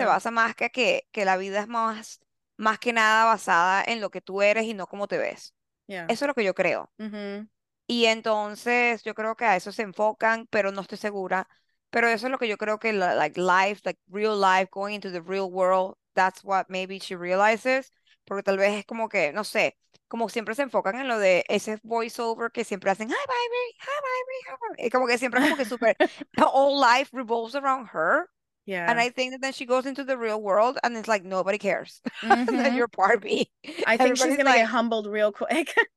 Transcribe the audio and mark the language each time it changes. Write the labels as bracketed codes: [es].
[es] se basa más que la vida es más que nada basada en lo que tú eres y no cómo te ves. [en] Yeah. [es] Eso es lo que yo creo. Y entonces yo creo que a eso se enfocan, pero no estoy segura. Pero eso es lo que yo creo que, [en] like, life, like, real life, going into the real world, that's what maybe she realizes. [es] Porque tal vez es como que, no sé, como siempre se enfocan en lo de ese voiceover que siempre hacen, [en] hi, baby, hi, baby, [es] hi, baby. Y como que siempre como que súper, [en] all life revolves around her. Yeah. And I think that then she goes into the real world and it's like, nobody cares. Mm-hmm. That you're Barbie. I think she's going to get humbled real quick.